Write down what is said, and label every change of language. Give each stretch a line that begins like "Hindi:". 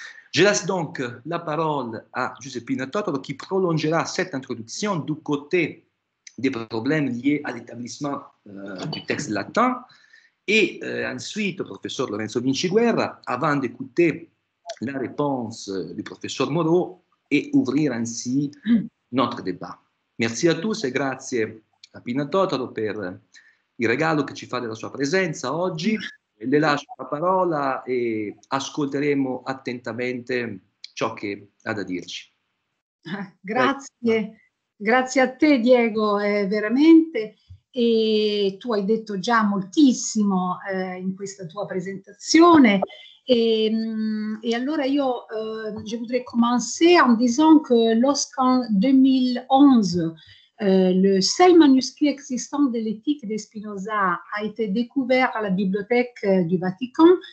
French: Je laisse donc la parole à Giuseppina Totolo qui prolongera cette introduction du côté des problèmes liés à l'établissement du texte latin. Et ensuite, professeur Lorenzo Vinciguerra, avant d'écouter la réponse du professeur Moreau et ouvrir ainsi notre débat. Merci à tous et
Italian: grazie a Pina Totolo per il regalo che ci fa della sua presenza oggi. Le lascio la parola e ascolteremo attentamente ciò che ha da dirci. Grazie. Grazie a te Diego, veramente, e tu hai detto già moltissimo in questa tua presentazione, e allora io
French: je voudrais commencer en disant que lorsqu'en 2011 le seul manuscrit existant de l'éthique de Spinoza a été découvert à la bibliothèque du Vatican,